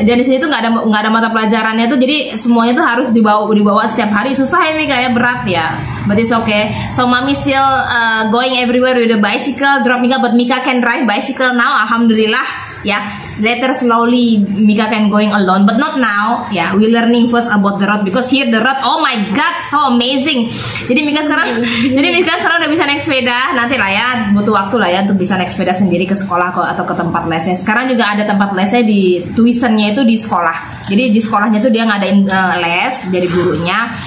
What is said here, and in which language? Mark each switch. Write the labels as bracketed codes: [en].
[id] Dan di sini tuh nggak ada mata pelajarannya tuh, jadi semuanya tuh harus dibawa setiap hari. Susah, ya, Mika, ya, berat, ya. [en] But it's okay. So mommy still going everywhere with the bicycle, drop Mika, but Mika can ride bicycle now, alhamdulillah, ya. Later slowly Mika can going alone, but not now, ya. We learning first about the road, because here the road, oh my god, so amazing. [id] Jadi Mika sekarang udah bisa naik sepeda. Nanti lah, ya, butuh waktu lah, ya, untuk bisa naik sepeda sendiri ke sekolah atau ke tempat lesnya. Sekarang juga ada tempat lesnya, di tuition-nya itu di sekolah. Jadi di sekolahnya tuh dia ngadain les dari gurunya.